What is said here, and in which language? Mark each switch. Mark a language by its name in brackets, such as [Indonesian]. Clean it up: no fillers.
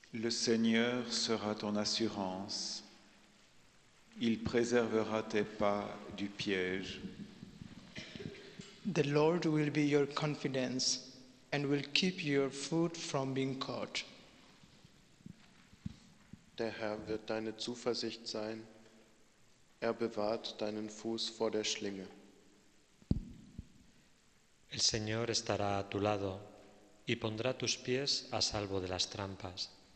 [French] Seigneur sera ton assurance, il préservera tes pas du piège. [English] The Lord will be your confidence and will keep your foot from being caught. [German] Der Herr wird deine Zuversicht sein, er bewahrt deinen Fuß vor der Schlinge. [Spanish] El Señor estará a tu lado y pondrá tus pies a salvo de las trampas.